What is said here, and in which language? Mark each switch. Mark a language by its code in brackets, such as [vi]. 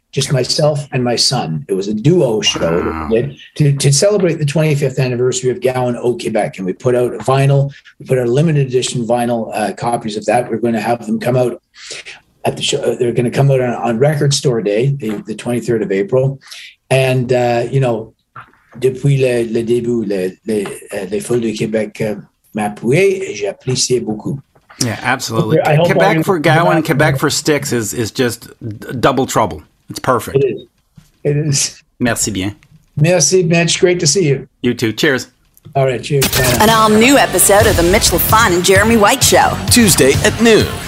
[en] Just myself and my son. It was a duo show to celebrate the 25th anniversary of Gowan au Québec. And we put out a limited edition vinyl copies of that. We're going to have them come out at the show. They're going to come out on Record Store Day, the 23rd of April. [fr] And, depuis le début, les Folles du Québec m'appuyaient et j'appréciais beaucoup. [en] Yeah, absolutely. Quebec for Gowan, Quebec for Styx is just double trouble. It's perfect. It is. [fr] Merci bien. Merci, [en] Mitch. Great to see you. You too. Cheers. All right. Cheers. An all-new episode of the Mitch LaFon and Jeremy White Show. Tuesday at noon.